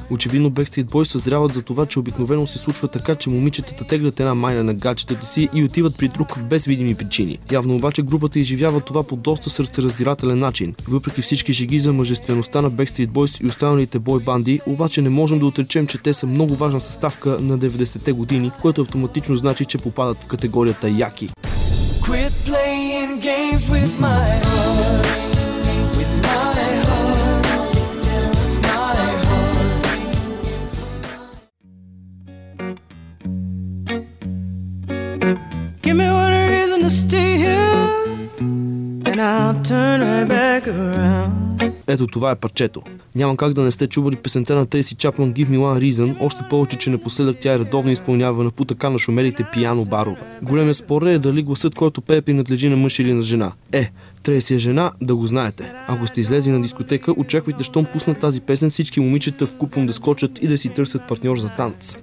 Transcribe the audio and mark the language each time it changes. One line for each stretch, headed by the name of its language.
Bulgarian: Очевидно Backstreet Boys съзряват за това, че обикновено се случва така, че момичетата теглят една майна на гаджетата си и отиват при друг без видими причини. Явно обаче групата изживява това по доста сърцераздирателен начин. Въпреки всички жеги за мъжествеността на Backstreet Boys и останалите бой банди, обаче не можем да отречем, че те са много важна съставка на 90-те години, което автоматично значи, че попадат в категорията яки.
English: Quit playing games with my heart, with my heart, my heart. Give me one reason to stay here, and I'll turn right back around.
Bulgarian: Ето това е парчето. Няма как да не сте чували песента на Тейси Чапман Give Me One Reason, още повече, че напоследък тя е редовно изпълнявана по така на шумелите пиано барове. Големият спор е дали гласът, който пее, принадлежи на мъж или на жена. Е, трябва си е жена, да го знаете. Ако сте излезли на дискотека, очаквайте, щом пуснат тази песен, всички момичета в купон да скочат и да си търсят партньор за танц.